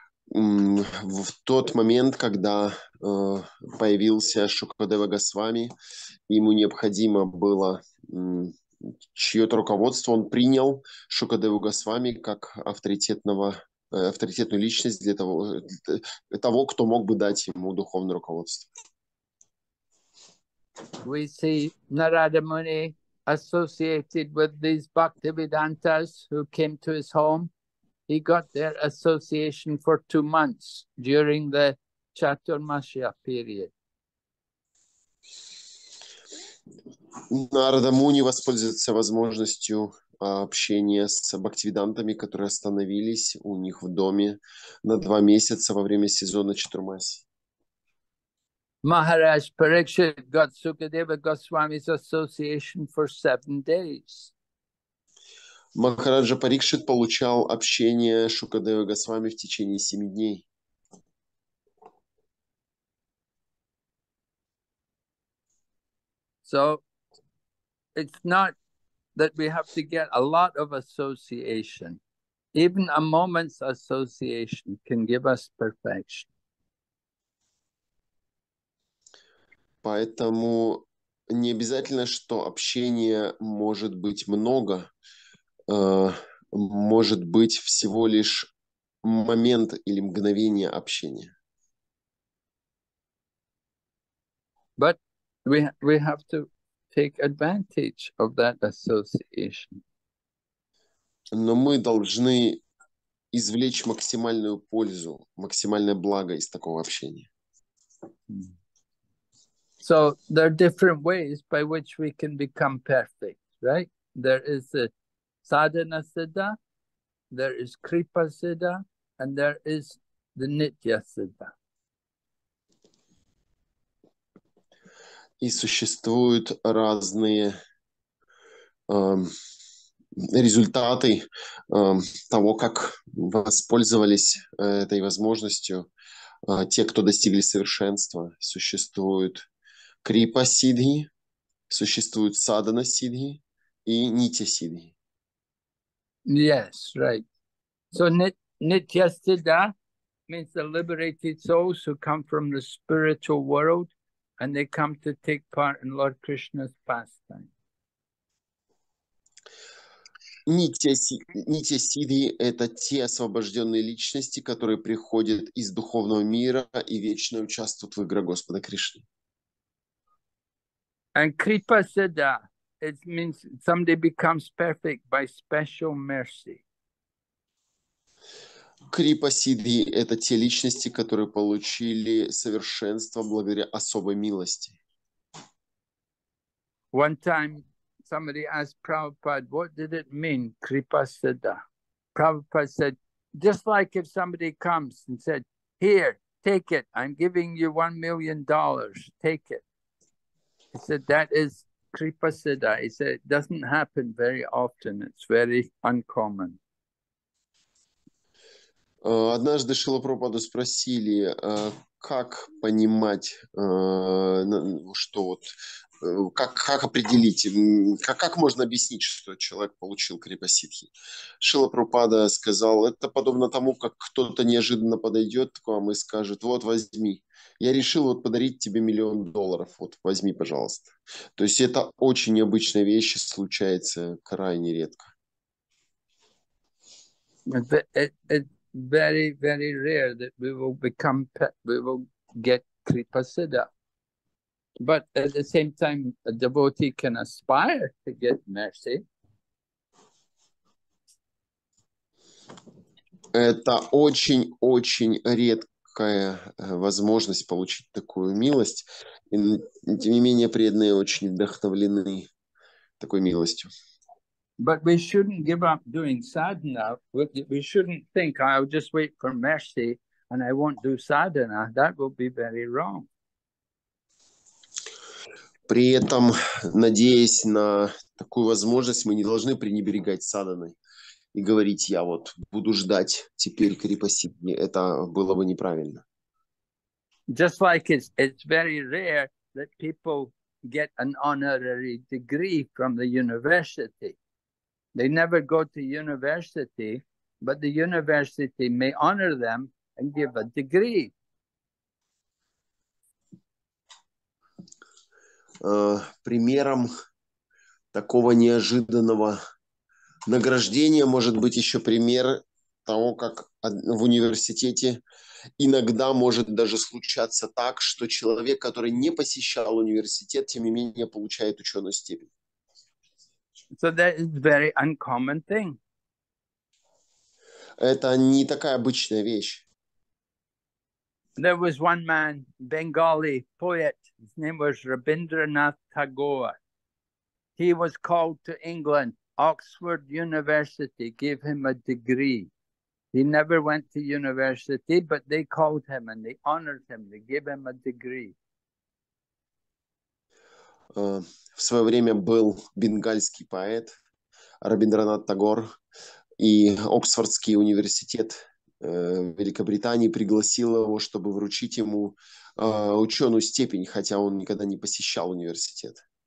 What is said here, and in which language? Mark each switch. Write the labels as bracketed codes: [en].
[ru] В тот момент, когда появился Шукадева Госвами, ему необходимо было чье-то руководство, он принял Шукадеву Госвами как авторитетную личность для того, того, кто мог бы дать ему духовное руководство. [en] We see Narada Muni associated with these Bhaktivedantas who came to his home. He got their association for 2 months during the Chaturmasya period. [ru] Нарада Муни воспользуется возможностью общения с бхактивидантами, которые остановились у них в доме на 2 месяца во время сезона Чатурмаси. [en] Maharaj Parikshit got Sukadeva Goswami's association for 7 days. [ru] Махараджа Парикшит получал общение Шукадева Госвами в течение 7 дней. [en] So, it's not that we have to get a lot of association. Even a moment's association can give us perfection. [ru] Поэтому не обязательно, что общение может быть много. Может быть всего лишь момент или мгновение общения. [en] But we have to take advantage of that association. [ru] Но мы должны извлечь максимальную пользу, максимальное благо из такого общения. [en] So there are different ways by which we can become perfect, right? There is a Sadhana Siddha, there is Kripa Siddha, and there is the Nitya Siddha. [ru] И существуют разные результаты того, как воспользовались этой возможностью те, кто достигли совершенства. Существуют Крипа Сиддхи, существуют Садхана Сиддхи и нитья сиддхи. [en] Yes, right. So nitya siddha means the liberated souls who come from the spiritual world and they come to take part in Lord Krishna's pastime. [ru] Нитья сиддхи – это те освобожденные личности, которые приходят из духовного мира и вечно участвуют в играх Господа Кришны. [en] And kripa siddha, it means somebody becomes perfect by special mercy. [ru] Крипа сиддхи – это те личности, которые получили совершенство благодаря особой милости. [en] One time somebody asked Prabhupada, what did it mean, kripa siddha? Prabhupada said, just like if somebody comes and said, here, take it, I'm giving you $1 million, take it. He said, that is kripa siddha. He said, it doesn't happen very often, it's very uncommon. [ru] Однажды Шрила Прабхупаду спросили, как понимать, что вот, как определить, как можно объяснить, что человек получил крипа-ситхи. Шрила Прабхупада сказал, это подобно тому, как кто-то неожиданно подойдет к вам и скажет, вот возьми, я решил вот подарить тебе $1 миллион, вот возьми, пожалуйста. То есть это очень необычная вещь, случается крайне редко. [en] Very, very rare that we will get kripa siddha. But at the same time, a devotee can aspire to get mercy. [ru] Это очень-очень редкая возможность получить такую милость. И, тем не менее, преданные очень вдохновлены такой милостью. [en] But we shouldn't give up doing sadhana. We shouldn't think, I'll just wait for mercy and I won't do sadhana. That will be very wrong. [ru] При этом, надеясь на такую возможность, мы не должны пренебрегать садханой и говорить, я вот буду ждать теперь крипа-сиддхи. Это было бы неправильно. [en] Just like it's very rare that people get an honorary degree from the university. They never go to university, but the university may honor them and give a degree. [ru] Примером такого неожиданного награждения может быть еще пример того, как в университете иногда может даже случаться так, что человек, который не посещал университет, тем не менее получает ученую степень. [en] So that is very uncommon thing. [ru] Это не такая обычная вещь. [en] There was one man, Bengali poet, his name was Rabindranath Tagore. He was called to England, Oxford University gave him a degree. He never went to university, but they called him and they honored him, they gave him a degree. [ru] В свое время был бенгальский поэт Рабиндранат Тагор, и Оксфордский университет Великобритании пригласил его, чтобы вручить ему ученую степень, хотя он никогда не посещал университет.